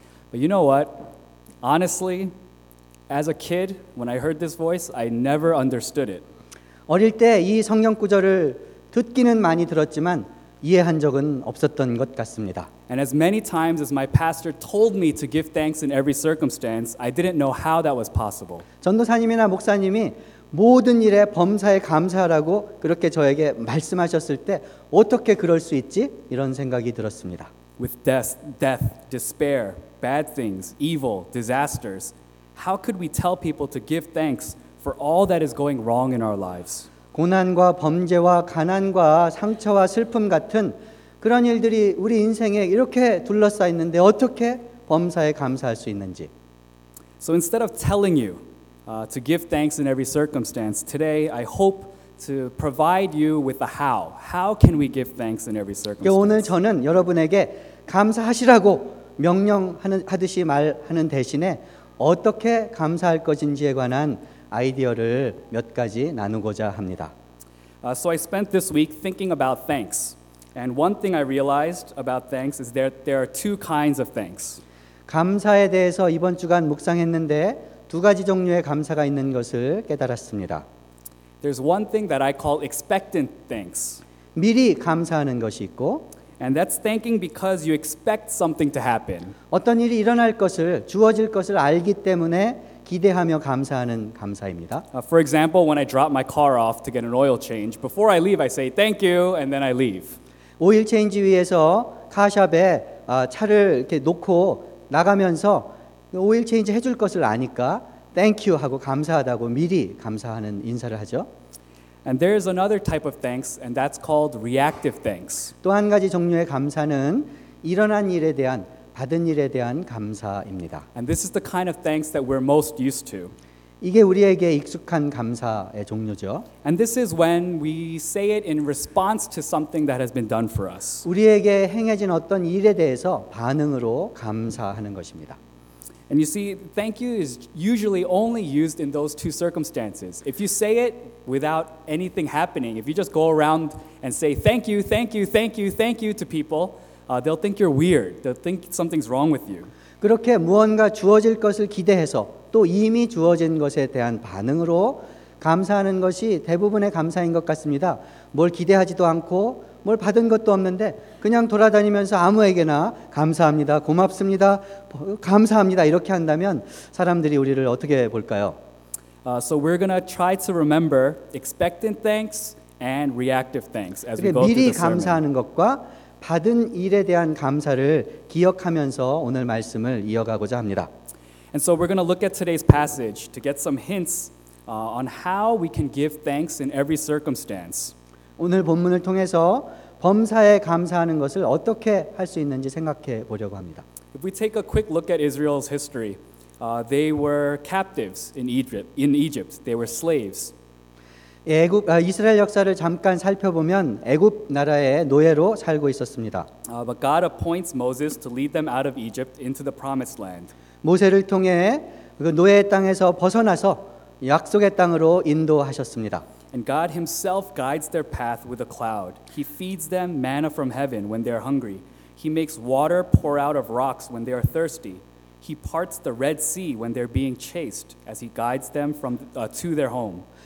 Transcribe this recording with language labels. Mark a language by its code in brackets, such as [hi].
[en] But you know what? Honestly, as a kid, when I heard this voice, I never understood it. [ko] 어릴 때 이 성경 구절을 듣기는 많이 들었지만 이해한 적은 없었던 것 같습니다. [en] And as many times as my pastor told me to give thanks in every circumstance, I didn't know how that was possible. [ko] 전도사님이나 목사님이 모든 일에 범사에 감사하라고 그렇게 저에게 말씀하셨을 때 어떻게 그럴 수 있지? 이런 생각이 들었습니다. [en] With death, despair, bad things, evil, disasters, how could we tell people to give thanks for all that is going wrong in our lives? [ko] 고난과 범죄와 가난과 상처와 슬픔 같은 그런 일들이 우리 인생에 이렇게 둘러싸 있는데 어떻게 범사에 감사할 수 있는지. [en] So instead of telling you to give thanks in every circumstance, today I hope to provide you with the how. How can we give thanks in every circumstance? [ko] 오늘 저는 여러분에게 감사하시라고 명령하듯이 말하는 대신에 어떻게 감사할 것인지에 관한 아이디어를 몇 가지 나누고자 합니다. [en] So I spent this week thinking about thanks. And one thing I realized about thanks is that there are two kinds of thanks. [ko] 감사에 대해서 이번 주간 묵상했는데 두 가지 종류의 감사가 있는 것을 깨달았습니다. [en] There's one thing that I call expectant thanks. [ko] 미리 감사하는 것이 있고 [en] And that's thanking because you expect something to happen. [ko] 어떤 일이 일어날 것을 주어질 것을 알기 때문에 기대하며 감사하는 감사입니다. [en] For example, when I drop my car off to get an oil change, before I leave, I say thank you, and then I leave. [ko] 오일 체인지 위해서 카샵에 차를 이렇게 놓고 나가면서 오일 체인지 해줄 것을 아니까 [en] thank you [ko] 하고 감사하다고 미리 감사하는 인사를 하죠. [en] And there is another type of thanks, and that's called reactive thanks. [ko] 또 한 가지 종류의 감사는 일어난 일에 대한 받은 일에 대한 감사입니다. [en] And this is the kind of thanks that we're most used to. [ko] 이게 우리에게 익숙한 감사의 종류죠. [en] And this is when we say it in response to something that has been done for us. [ko] 우리에게 행해진 어떤 일에 대해서 반응으로 감사하는 것입니다. [en] And you see, thank you is usually only used in those two circumstances. If you say it without anything happening, if you just go around and say thank you, thank you, thank you, thank you to people, they'll think you're weird. They'll think something's wrong with you. [ko] 그렇게 무언가 주어질 것을 기대해서 또 이미 주어진 것에 대한 반응으로 감사하는 것이 대부분의 감사인 것 같습니다. 뭘 기대하지도 않고 뭘 받은 것도 없는데 그냥 돌아다니면서 아무에게나 감사합니다. 고맙습니다. 감사합니다. 이렇게 한다면 사람들이 우리를 어떻게 볼까요? [en] So we're going to try to remember expectant thanks and reactive thanks as we go through the sermon. [ko] 미리 감사하는 것과 받은 일에 대한 감사를 기억하면서 오늘 말씀을 이어가고자 합니다. [en] And so we're going to look at today's passage to get some hints on how we can give thanks in every circumstance. [ko] 오늘 본문을 통해서 범사에 감사하는 것을 어떻게 할 수 있는지 생각해 보려고 합니다. [en] If we take a quick look at Israel's history, they were captives in Egypt. They were slaves. [ko] 이스라엘 역사를 잠깐 살펴보면 애굽 나라의 노예로 살고 있었습니다. [en] But God appoints Moses to lead them out of Egypt into the promised land. [ko] 모세를 통해 그 노예의 땅에서 벗어나서 약속의 땅으로 인도하셨습니다. [en] And God himself guides their path with a cloud. He feeds them manna from heaven when they are hungry. He makes water pour out of rocks when they are thirsty. He parts the Red Sea when they're being chased as he guides them from to their home.